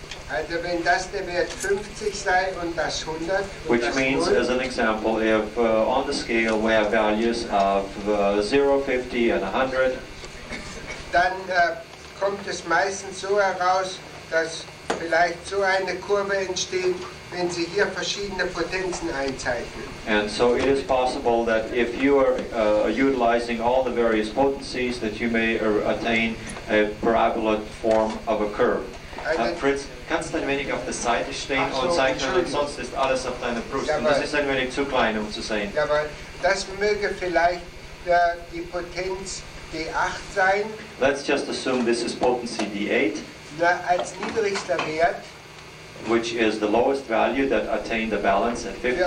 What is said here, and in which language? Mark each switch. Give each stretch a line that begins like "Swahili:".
German: Also wenn das der Wert 50 sei und das 100 und
English: which das means 0, as an example if on the scale we have values of 0, 50 and 100,
German: dann kommt es meistens so heraus, dass vielleicht so eine Kurve entsteht, wenn Sie hier verschiedene Potenzen einzeichnen.
English: And so it is possible that if you are utilizing all the various potencies that you may attain a parabola form of a curve.
German: Fritz, kannst du ein wenig auf der Seite stehen so, und zeichnen, und sonst ist alles auf deiner Brust. Ja, und das ist ein wenig zu klein, um zu sehen. Ja, aber das möge vielleicht die Potenz D8 sein.
English: Let's just assume this is potency D8.
German: Na, als niedrigster Wert.
English: Which is the lowest value that attained the balance at 50.